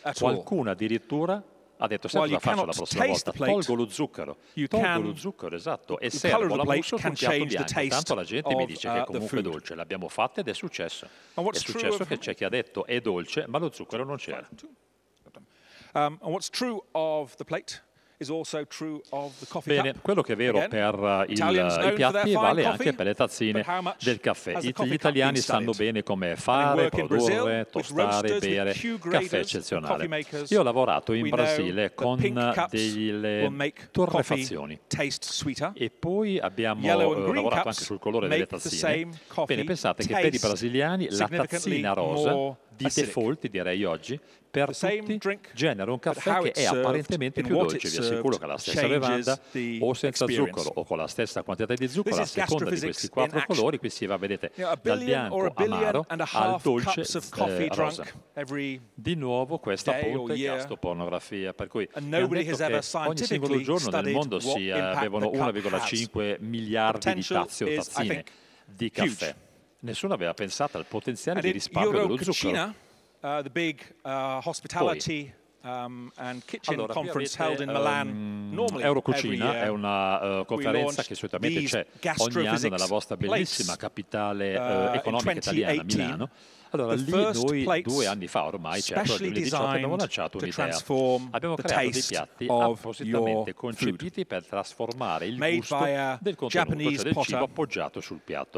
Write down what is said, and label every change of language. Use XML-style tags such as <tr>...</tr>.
<it>Qualcuno addirittura ha detto, sempre la faccio la prossima volta, tolgo lo zucchero, esatto, e servo la mousse sul piatto bianco. Tanto la gente mi dice che è comunque dolce, l'abbiamo fatta ed è successo. È successo che c'è chi ha detto è dolce, ma lo zucchero non c'era.</it> <en>And what's true of the plate is also true of the coffee.</en> <it>Bene, quello che è vero per i piatti vale anche per le tazzine del caffè. Gli italiani sanno bene come fare, produrre, tostare, bere caffè eccezionale. Io ho lavorato in Brasile con delle torrefazioni e poi abbiamo lavorato anche sul colore delle tazzine. Bene, pensate che per i brasiliani la tazzina rosa di default, direi oggi, per tutti genera un caffè che è apparentemente più dolce. Vi assicuro che la stessa bevanda, o senza zucchero o con la stessa quantità di zucchero, a seconda di questi quattro colori, qui si va, vedete, dal bianco amaro al dolce rosa. Di nuovo questa punta è gastropornografia, per cui è detto che ogni singolo giorno nel mondo si bevono 1,5 miliardi di tazze o tazzine di caffè. Nessuno aveva pensato al potenziale di risparmio dello zucchero.</it> <en>The big hospitality and kitchen conference held in Milan.</en> <it>Eurocucina è una conferenza che solitamente c'è ogni anno nella vostra bellissima capitale economica italiana, Milano. Allora, lì noi 2 anni fa ormai, certo, nel 2018, abbiamo lanciato un'idea. Abbiamo creato dei piatti appositamente concepiti per trasformare il gusto del contenuto, cioè del cibo appoggiato sul piatto.</it>